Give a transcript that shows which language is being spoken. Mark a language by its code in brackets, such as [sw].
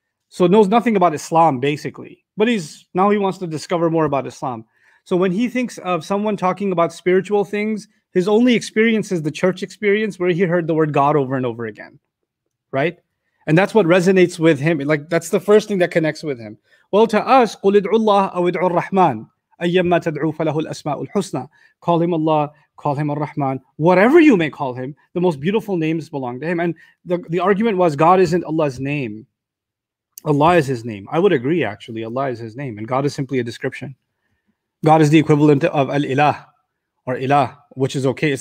[en] So knows nothing about Islam, basically. But he's, now he wants to discover more about Islam. So when he thinks of someone talking about spiritual things, his only experience is the church experience where he heard the word God over and over again, right? And that's what resonates with him. Like, that's the first thing that connects with him. Well, to us, [ar] قُلِ ادْعُوا اللَّهَ أَوْ ادْعُوا الرَّحْمَنَ أَيَّمَّا تَدْعُوا فَلَهُ الْأَسْمَاءُ الْحُسْنَى. [en] Call him Allah, call him Ar-Rahman. Whatever you may call him, the most beautiful names belong to him. And the argument was, God isn't Allah's name. Allah is his name. I would agree, actually. Allah is his name. And God is simply a description. God is the equivalent of Al-Ilah or Ilah, which is okay.